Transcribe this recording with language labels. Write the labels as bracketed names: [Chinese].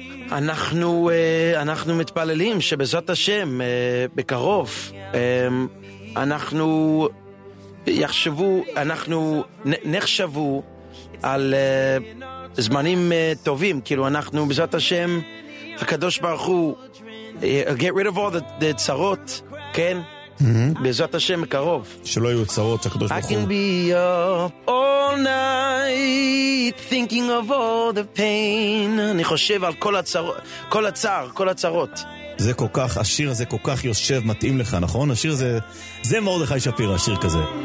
[Hebrew] ואנחנו אנחנו מתפללים שבזאת השם בקרוב אנחנו יחשבו, אנחנו נחשבו על זמנים טובים, כאילו אנחנו בזאת השם הקדוש ברוך הוא [English] get rid of all the [Hebrew] צרות, כן? בעזרת השם מקרוב שלא יהיו צרות הקדוש ברוך הוא. [English] I can be up all night thinking of all the pain, [Hebrew] אני חושב על כל הצרות, [English] כל הצער, כל הצרות. [Hebrew] זה כל כך, השיר הזה כל כך יושב, מתאים לך, נכון? השיר הזה, זה מרדכי שפירא, השיר כזה.